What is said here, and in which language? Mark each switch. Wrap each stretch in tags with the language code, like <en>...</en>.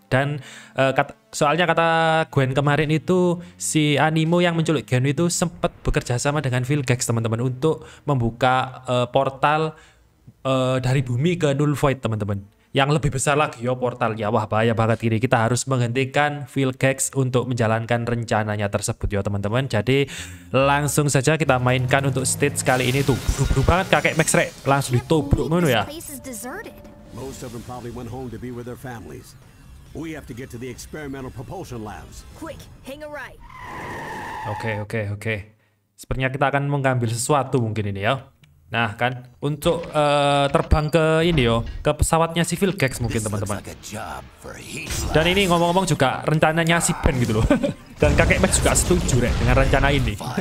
<id>Dan soalnya kata Gwen kemarin itu, si Animo yang menculik Gwen itu sempat bekerja sama dengan Vilgax, teman-teman, untuk membuka portal dari bumi ke Null Void, teman-teman. Yang lebih besar lagi, yo, portal. Ya, wah, bahaya banget ini. Kita harus menghentikan Vilgax untuk menjalankan rencananya tersebut, yo, teman-teman. Jadi, langsung saja kita mainkan untuk stage kali ini tuh. Buru-buru banget kakek Max, Rek. Langsung ditobruk menu, ya.</id> <en>Most of them probably went home to be with their families. We have to get to the experimental propulsion labs. Quick, hang a right. Oke.</en> <id>Sepertinya kita akan mengambil sesuatu mungkin ini ya. Nah, kan untuk terbang ke ini yo, ke pesawatnya si Vilgax mungkin teman-teman. Dan ini ngomong-ngomong juga rencananya si Ben gitu loh. Dan kakek Max juga setuju Rek dengan rencana ini.</id>